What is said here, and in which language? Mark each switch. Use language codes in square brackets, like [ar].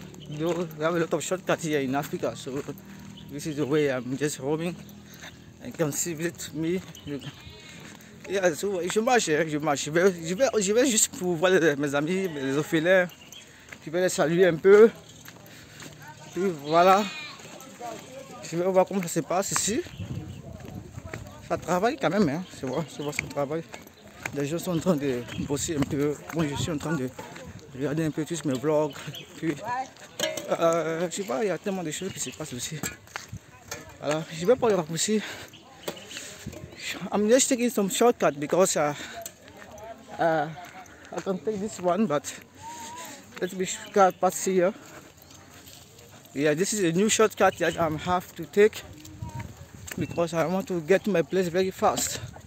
[en] You have a lot of shortcuts here in Africa, so this is the way I'm just roaming. And come see visit me. Yeah, so [fr] je marche. Je vais juste pour voir mes amis, les orphelins. Je vais les saluer un peu. Puis voilà. Je vais voir comment ça se passe ici. Ça travaille quand même, hein. C'est bon, ça travaille. Les gens sont en train de bosser un peu. Moi, je suis en train de regarder un peu tous mes vlogs. Puis, je sais pas, il y a tellement de choses qui se passent aussi. Alors, je vais pas le raccourci. [en] I'm just taking some shortcut because I can take this one, but let me cut past here. Yeah, this is a new shortcut that I have to take because I want to get to my place very fast.